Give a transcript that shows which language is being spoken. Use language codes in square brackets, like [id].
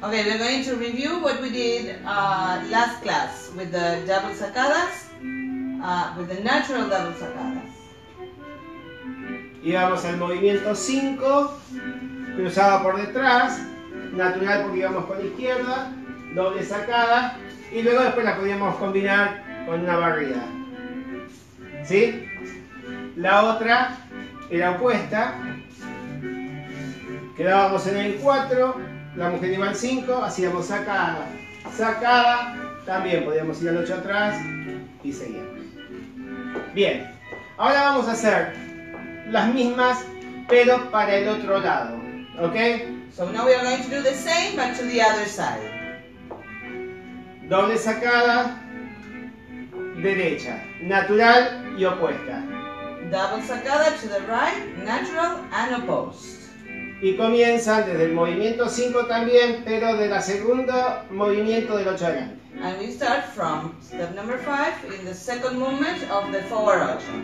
[en] Ok, we're going to review what we did last class with the double sacadas, with the natural double sacadas. [es] Íbamos al movimiento 5, cruzaba por detrás, natural porque íbamos por la izquierda, doble sacada, y luego después la podíamos combinar con una barrida. ¿Sí? La otra era opuesta, quedábamos en el 4. La mujer iba al 5, hacíamos sacada, sacada, también podíamos ir al 8 atrás y seguíamos. Bien, ahora vamos a hacer las mismas, pero para el otro lado, ¿ok? [en] So now we are going to do the same, but to the other side. [es] Doble sacada, derecha, natural y opuesta. [en] Double sacada to the right, natural and opposed. [es] Y comienzan desde el movimiento 5 también, pero de la segunda movimiento del 8 adelante. [en] And we start from step number 5 in the second movement of the forward 8.